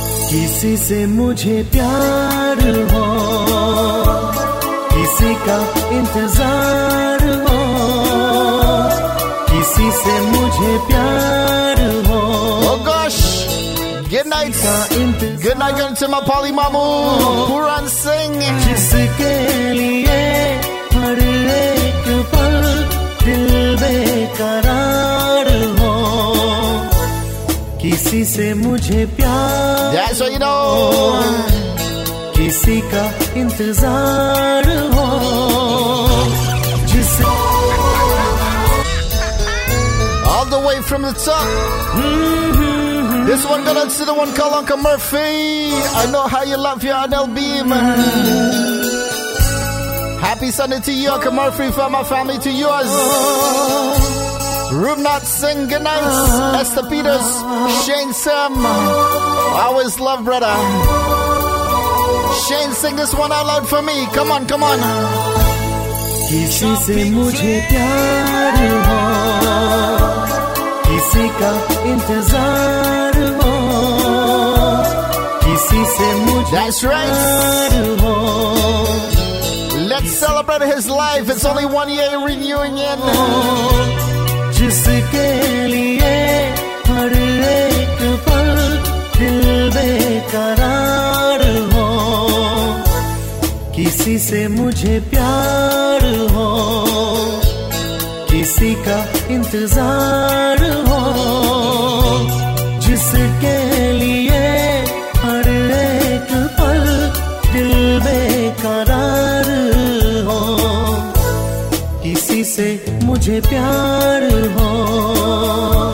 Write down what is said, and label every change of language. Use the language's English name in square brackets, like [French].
[Hindi] किसी से मुझे प्यार हो, किसी का इंतजार हो, किसी से मुझे प्यार हो. [English] Oh gosh. Good night. Good night, going to my Polly Mamu. Puran Singh. [Hindi] जिसके लिए हर एक पल दिल बेकरार हो, किसी से मुझे प्यार. [English] That's what you know. [Hindi] किसी का इंतजार हो. [English] All the way from the top. This one gonna see the one called Uncle Murphy. I know how you love your NLB, man. Happy Sunday to you, Uncle Murphy, for my family, to yours. Rubnat Singh, good night. Esther Peters, Shane Sim. Always love, brother. Shane, sing this one out loud for me. Come on, come on. [Hindi] किसी से मुझे प्यार हो, किसी का इंतजार हो, किसी से मुझे प्यार हो. [English] Let's celebrate his life. It's only 1 year renewing in. [Hindi] जिसके लिए हर एक पल दिल बेकरार हो, किसी से मुझे प्यार हो, किसी का इंतजार हो, जिसके लिए हर एक पल दिल बेकरार हो, किसी से मुझे प्यार हो.